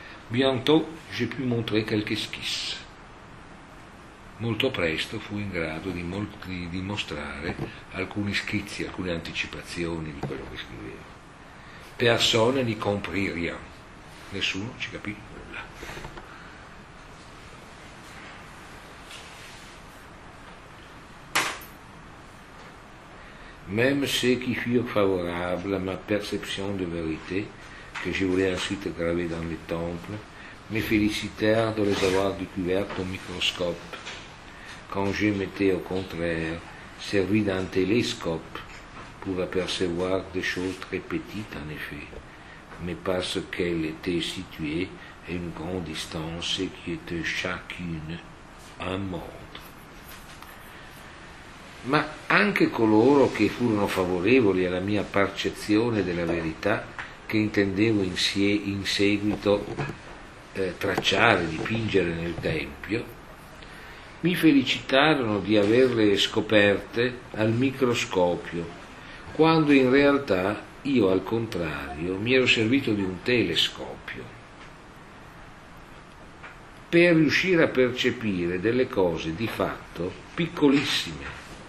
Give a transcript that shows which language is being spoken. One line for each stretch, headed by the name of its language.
French: Bientôt, j'ai pu montrer quelques schizzi.
Italian: Molto presto fui in grado di mostrare alcuni schizzi, alcune anticipazioni di quello che scrivevo.
French: Personne n'y comprit rien.
Italian: Nessuno ci capì nulla.
French: Même ceux qui furent favorables à ma perception de vérité, que je voulais ensuite graver dans les temples, me félicitèrent de les avoir découvertes au microscope, quand je m'étais au contraire servi d'un télescope pour apercevoir des choses très petites en effet, mais parce qu'elles étaient situées à une grande distance et qui étaient chacune un monde.
Italian: Ma anche coloro che furono favorevoli alla mia percezione della verità, che intendevo in seguito tracciare, dipingere nel Tempio, mi felicitarono di averle scoperte al microscopio, quando in realtà io, al contrario, mi ero servito di un telescopio per riuscire a percepire delle cose di fatto piccolissime.